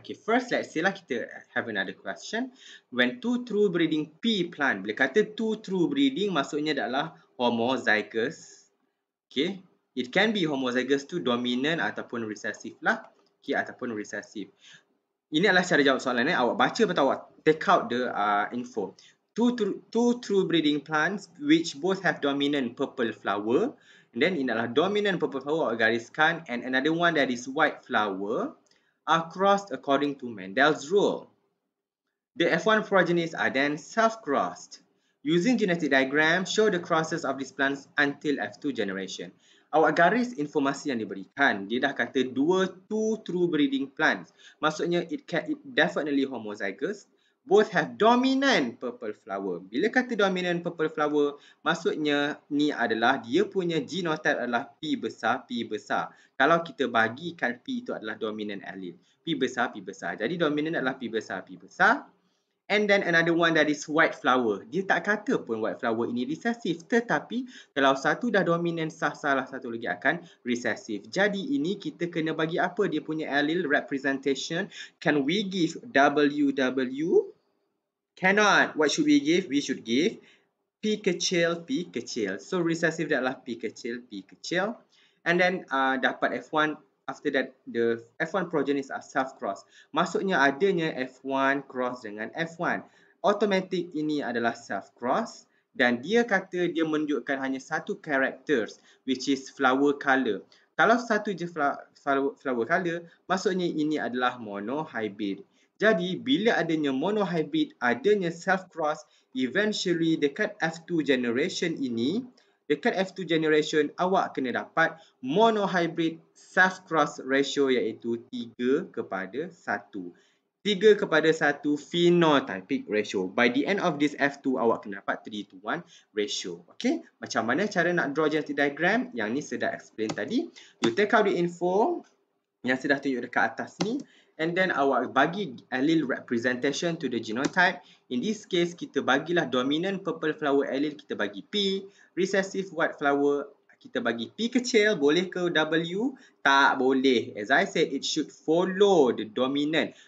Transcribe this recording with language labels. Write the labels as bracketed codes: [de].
[en] Okay, first let's say [ms] lah kita [en] have another question. When two true breeding P plant, [ms] bila kata [en] two true breeding, [ms] maksudnya adalah [en] homozygous. Okay, it can be homozygous to dominant [ms] ataupun [en] recessive lah. Okay, [ms] ataupun [en] recessive. [ms] Ini adalah cara jawab soalan ni. Awak baca atau awak [en] take out the info. Two true breeding plants which both have dominant purple flower. And then [ms] ini adalah [en] dominant purple flower [ms] awak gariskan. [en] And another one that is white flower are crossed according to Mendel's rule. The F1 progenies are then self-crossed. Using genetic diagram, show the crosses of these plants until F2 generation. [ms] Awak garis informasi yang diberikan. Dia dah kata [en] two true breeding plants. [ms] Maksudnya, [en] it definitely homozygous. Both have dominant purple flower. [ms] Bila kata [en] dominant purple flower, [ms] maksudnya ni adalah dia punya genotype adalah P besar. Kalau kita bagikan P itu adalah [en] dominant allele. [ms] P besar. Jadi dominant adalah P besar. [en] And then another one that is white flower. [ms] Dia tak kata pun white flower ini recessive. Tetapi kalau satu dah dominant, salah satu lagi akan recessive. Jadi ini kita kena bagi apa dia punya [en] allele representation. Can we give WW? Cannot. What should we give? We should give P kecil. [ms] So recessive adalah P kecil. [en] And then [ms] dapat [en] F1. After that, the F1 progenies are self-cross. [ms] Maksudnya adanya F1 cross dengan F1. Automatic ini adalah self-cross. Dan dia kata dia menunjukkan hanya satu characters, [en] which is flower color. [ms] Kalau satu je flower color, maksudnya ini adalah monohybrid. Jadi, bila adanya monohybrid, adanya self-cross, eventually dekat F2 generation ini, dekat F2 generation, awak kena dapat monohybrid self-cross ratio iaitu 3 kepada 1. 3 kepada 1 phenotypic ratio. [en] By the end of this F2, [ms] awak kena dapat 3:1 ratio. Okay? Macam mana cara nak [en] draw genetic diagram? [ms] Yang ni saya dah explain tadi. [en] You take out the info [ms] yang saya dah tunjuk dekat atas ni. [en] And then [ms] awak bagi [en] allele representation to the genotype. In this case, [ms] kita bagilah [en] dominant purple flower allele, [ms] kita bagi [en] P. Recessive white flower, [ms] kita bagi P kecil boleh ke W? Tak boleh. [en] As I said, it should follow the dominant.